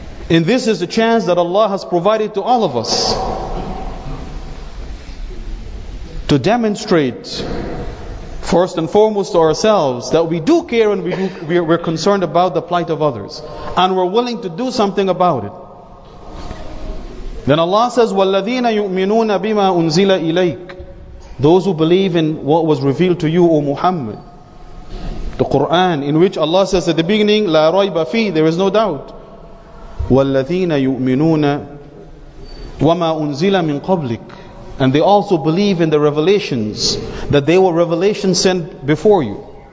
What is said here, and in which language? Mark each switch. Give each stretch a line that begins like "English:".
English: And this is a chance that Allah has provided to all of us to demonstrate, first and foremost to ourselves, that we do care and we're concerned about the plight of others. And we're willing to do something about it. Then Allah says,
Arabic: وَالَّذِينَ يُؤْمِنُونَ بِمَا أُنزِلَ إِلَيْكَ.
English: Those who believe in what was revealed to you, O Muhammad. The Quran, in which Allah says at the beginning,
Arabic: لَا رَيْبَ فِيهِ,
English: there is no doubt.
Arabic: وَالَّذِينَ يُؤْمِنُونَ وَمَا أُنزِلَ مِنْ قَبْلِكَ.
English: And they also believe in the revelations, that they were revelations sent before you.